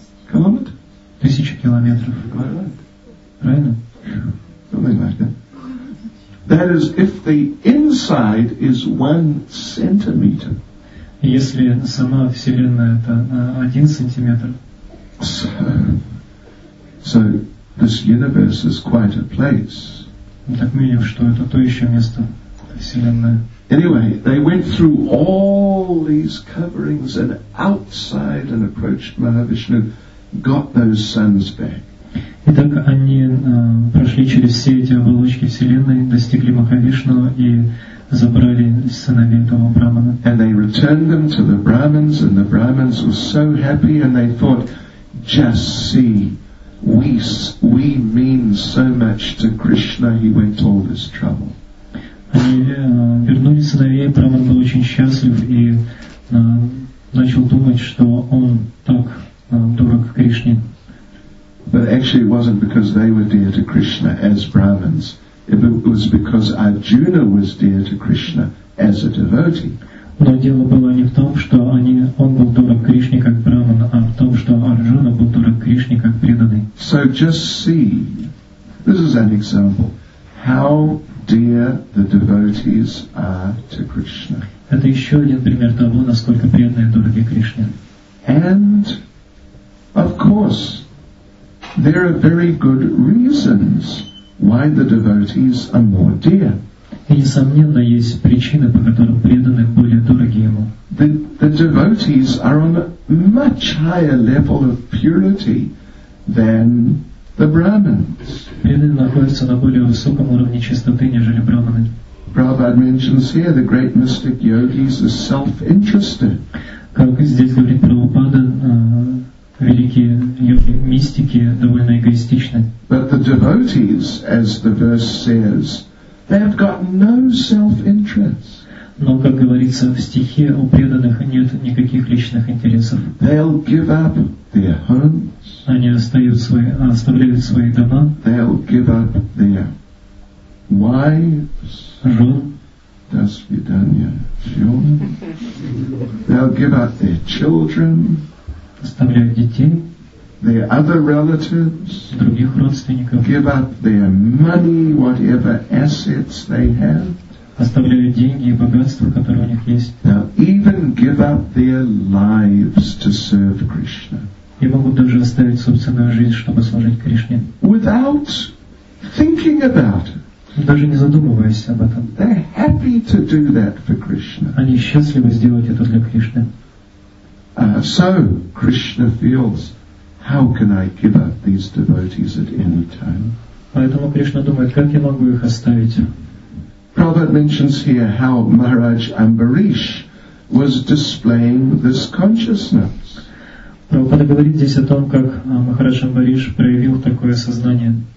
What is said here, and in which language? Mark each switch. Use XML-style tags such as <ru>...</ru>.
<en>kilometers? 1,000 kilometers. Right? Something like that. That is, if the inside is 1 centimeter.</en> <ru>Если сама Вселенная это 1 сантиметр.</ru> <en>So this universe is quite a place.</en> <ru>Так мы видим, что это то еще место Вселенная.</ru> <en>Anyway, they went through all these coverings and outside and approached Mahavishnu, got those suns back.</en> <ru>Итак, они прошли через все эти оболочки Вселенной, достигли Махавишну и забрали сыновей этого брахмана.</ru> <en>And they returned them to the Brahmins, and the Brahmins were so happy, and they thought, just see, we mean so much to Krishna, he went all this trouble.</en> <ru>Они вернули сыновей, Браман был очень счастлив и начал думать, что он так дорог Кришне.</ru> <en>But actually it wasn't because they were dear to Krishna as Brahmins. It was because Arjuna was dear to Krishna as a devotee.</en> <ru>Но дело было не в том, что он был дорог Кришне как Браман, а в том, что Арджуна был дорог Кришне как преданный.</ru> <en>So just see, this is an example, how dear the devotees are to Krishna.</en> <ru>Это еще один пример того, насколько преданные дороги Кришне.</ru> <en>And of course, there are very good reasons why the devotees are more dear.</en> <ru>И несомненно есть причины, по которым преданные более дороги ему.</ru> <en>The devotees are on a much higher level of purity than the Brahmins.</en> <ru>Преданные находятся на более высоком уровне чистоты, нежели Брахманы.</ru> <en>Prabhupada mentions here the great mystic yogis are self-interested.</en> <ru>Как здесь говорит Прабхупада, великие йоги, мистики довольно эгоистичны.</ru> <en>But the devotees, as the verse says, they have got no self-interest.</en> <ru>Но, как говорится в стихе, у преданных нет никаких личных интересов.</ru> <en>They'll give up their homes.</en> <ru>Они оставляют свои дома.</ru> <en>They'll give up their wives.</en> <ru>Жен. До свидания. Жен.</ru> <en>They'll give up their children.</en> <ru>Оставляют детей.</ru> <en>Their other relatives.</en> <ru>Других родственников.</ru> <en>Give up their money, whatever assets they have.</en> <ru>Оставляют деньги и богатство, которое у них есть.</ru> <en>Now, even give up their lives to serve Krishna.</en> <ru>И могут даже оставить собственную жизнь, чтобы служить Кришне.</ru> <en>Without thinking about it.</en> <ru>Даже не задумываясь об этом.</ru> <en>They're happy to do that for Krishna.</en> <ru>Они счастливы сделать это для Кришны.</ru> <en>So Krishna feels, how can I give up these devotees at any time?</en> <ru>Поэтому Кришна думает, как я могу их оставить?</ru> <en>Prabhupada mentions here how Maharaj Ambarish was displaying this consciousness.</en> <ru>Prabhupada говорит здесь о том, как Махарадж Амбариш проявил такое сознание.</ru>